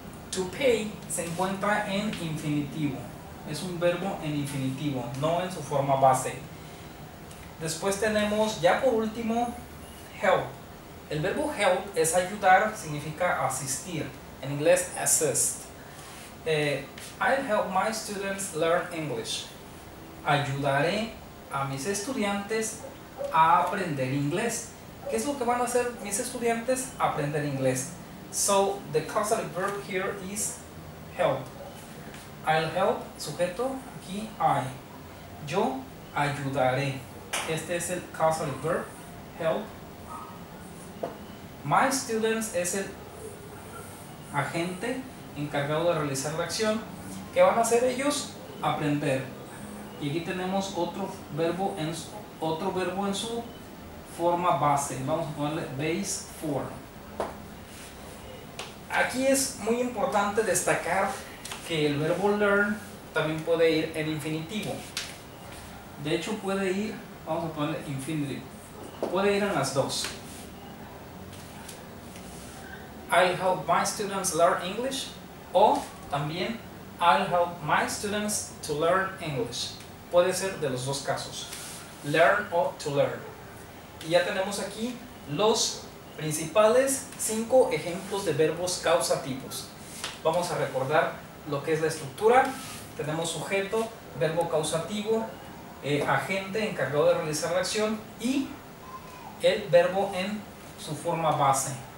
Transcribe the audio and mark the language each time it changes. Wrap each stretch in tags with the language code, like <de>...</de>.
<es>To pay se encuentra en infinitivo. Es un verbo en infinitivo, no en su forma base. Después tenemos, ya por último, help. El verbo help es ayudar, significa asistir. En inglés, assist.</es> <en>I'll help my students learn English.</en> <es>Ayudaré a mis estudiantes a aprender inglés. ¿Qué es lo que van a hacer mis estudiantes? Aprender inglés.</es> <en>So, the causative verb here is help. I'll help,</en> <es>sujeto, aquí I. Yo ayudaré. Este es el causative verb, help.</es> <en>My students</en> <es>es el agente encargado de realizar la acción. ¿Qué van a hacer ellos? Aprender. Y aquí tenemos otro verbo en su forma base. Vamos a ponerle base form. Aquí es muy importante destacar que el verbo learn también puede ir en infinitivo. De hecho puede ir, vamos a ponerle infinitive. Puede ir en las dos.</es> <en>I'll help my students learn English.</en> <es>O también,</es> <en>I'll help my students to learn English.</en> <es>Puede ser de los dos casos. Learn o to learn. Y ya tenemos aquí los principales 5 ejemplos de verbos causativos. Vamos a recordar lo que es la estructura. Tenemos sujeto, verbo causativo, agente encargado de realizar la acción y el verbo en su forma base.</es>